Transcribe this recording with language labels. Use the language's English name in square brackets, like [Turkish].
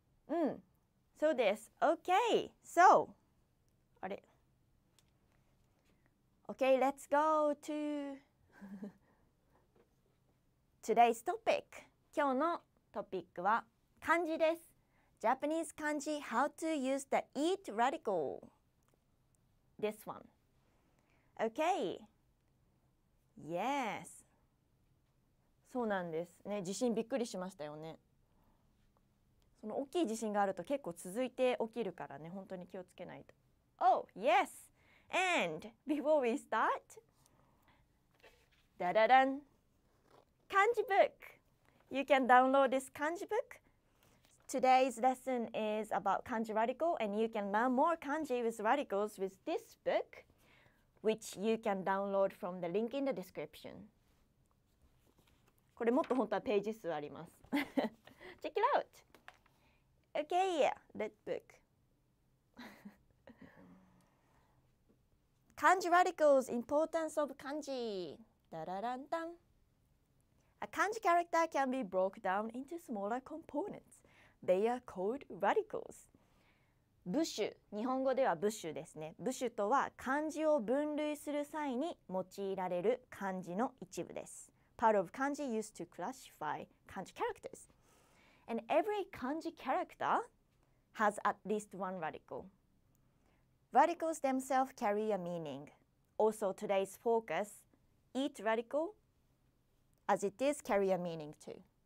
[Japanese] うん、そうです。 [English] Okay, so, [Japanese] あれ。 [English] Okay, let's go to today's topic. [Japanese] 今日のトピックは漢字です。 [English] Japanese kanji, how to use the eat radical. This one. Okay. Yes. [Japanese] そうなんですね、地震びっくりしましたよね。その大きい地震があると結構続いて起きるからね、本当に気をつけないと。 [English] Oh yes, and before we start, da-da-dan, kanji book. You can download this kanji book. Today's lesson is about kanji radical, and you can learn more kanji with radicals with this book, which you can download from the link in the description. [Japanese] これもっと本当はページ数あります。 [English] Check it out! Okay, red book. 漢字 radicals, importance of 漢字。ダララン ダン。 A 漢字 character can be broken down into smaller components. They are called radicals. [Japanese] 部首、日本語では部首ですね。部首とは漢字を分類する際に用いられる漢字の一部です。 [English] Part of kanji used to classify kanji characters. And every kanji character has at least one radical. Radicals themselves carry a meaning. Also, today's focus, eat radical, as it is, carry a meaning too.